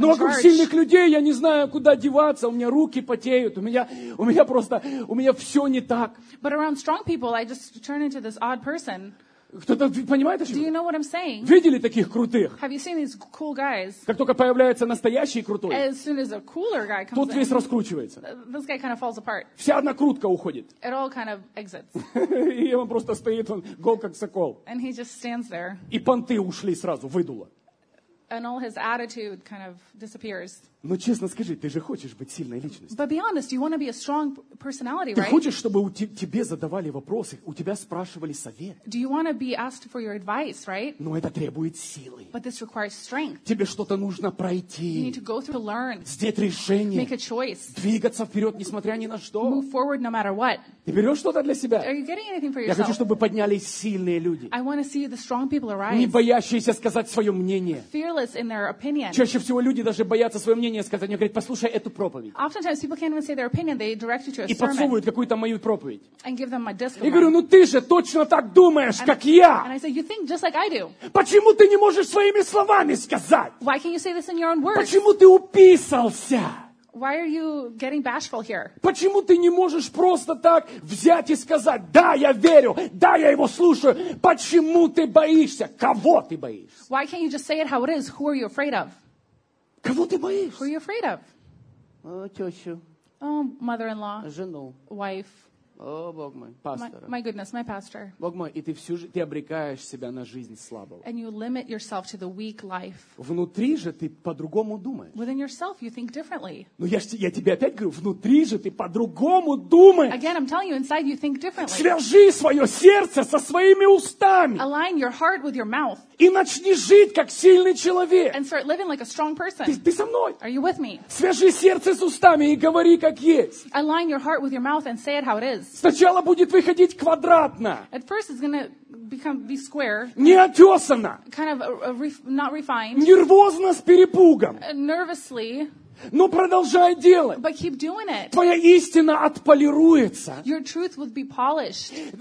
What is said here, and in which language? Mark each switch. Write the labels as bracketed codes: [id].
[ru] Но вокруг сильных людей я не знаю, куда деваться, у меня руки потеют, у меня просто, у меня все не так. [en] But around strong people, I just turn into this odd person. [ru] Кто-то понимает, что? [en] Do you know what I'm saying? [ru] Видели таких крутых? [en] Have you seen these cool guys? [ru] Как только появляется настоящий крутой, [en] as soon as a cooler guy comes [ru] тот весь [en] in, [ru] раскручивается. [en] This guy kind of falls apart. [ru] Вся одна крутка уходит. [en] It all kind of exits. [ru] И он просто стоит, он гол как сокол. [en] And he just stands there. [ru] И понты ушли сразу, выдуло. [en] And all his attitude kind of disappears. [ru] Но честно скажи, ты же хочешь быть сильной личностью. [en] But be honest, you want to be a strong personality, right? [ru] Ты хочешь, чтобы тебе задавали вопросы, у тебя спрашивали совет. [en] Do you want to be asked for your advice, right? [ru] Но это требует силы. [en] But this requires strength. [ru] Тебе что-то нужно пройти. [en] You need to go through, to learn. [ru] Сделать решение. [en] Make a choice. [ru] Двигаться вперед, несмотря ни на что. [en] Move forward no matter what. [ru] Ты берешь что-то для себя? [en] Are you getting anything for yourself? [ru] Я хочу, чтобы поднялись сильные люди. [en] I want to see the strong people arise. [ru] Не боящиеся сказать свое мнение. [en] Fearless in their opinion. [ru] Чаще всего люди даже боятся свое мнение. Они говорят, послушай эту проповедь. [en] Oftentimes people can't even say their opinion, they direct you to a sermon. [ru] И подсовывают какую-то мою проповедь. [en] And give them a disc. [ru] И говорю, ну ты же точно так думаешь, как я. [en] And I say, you think just like I do. [ru] Почему ты не можешь своими словами сказать? [en] Why can't you say this in your own words? [ru] Почему ты уписался? [en] Why are you getting bashful here? [ru] Почему ты не можешь просто так взять и сказать, да, я верю, да, я его слушаю. Почему ты боишься? Кого ты боишься? [en] Why can't you just say it how it is? Who are you afraid of? [ru] Кого ты боишься? [en] Who are you afraid of? [ru] О, тёщу. [en] Oh, mother-in-law. [ru] Жену. [en] Wife. [ru] О, Бог мой, пастора. [en] My goodness, my pastor. [ru] Бог мой, и ты всю жизнь, ты обрекаешь себя на жизнь слабого. [en] And you limit yourself to the weak life. [ru] Внутри же ты по-другому думаешь. [en] Within yourself you think differently. [ru] Ну я тебе опять говорю, внутри же ты по-другому думаешь. [en] Again, I'm telling you, inside you think differently. [ru] Свяжи свое сердце со своими устами. [en] Align your heart with your mouth. [ru] И начни жить как сильный человек. [en] And start living like a strong person. [ru] Ты со мной? [en] Are you with me? [ru] Свяжи сердце с устами и говори как есть. [en] Align your heart with your mouth and say it how it is. [ru] Сначала будет выходить квадратно. [en] At first it's gonna become be square. [ru] Неотесанно. [en] Kind of not refined. [ru] Нервозно с перепугом. [en] Nervously. [ru] Но продолжай делать. [en] But keep doing it. [ru] Твоя истина отполируется. [en] Your truth will be polished.